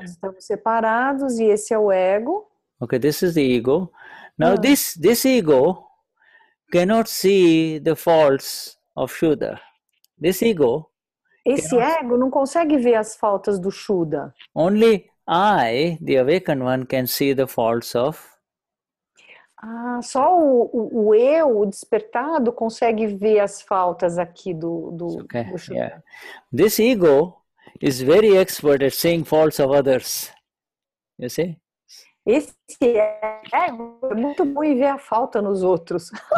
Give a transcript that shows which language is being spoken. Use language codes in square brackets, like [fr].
[pt] Nós estamos separados e esse é o ego. [en] Okay, this is the ego. Now this ego cannot see the faults of Shuddha. This ego. [pt] Esse ego não consegue ver as faltas do Shuddha. [en] Only I, the awakened one, can see the faults of. [pt] Ah, só o eu, o despertado, consegue ver as faltas aqui do [en] Shuddha. Yeah. This ego is very expert at seeing faults of others. You see? [pt] Esse ego é muito bom em ver a falta nos outros.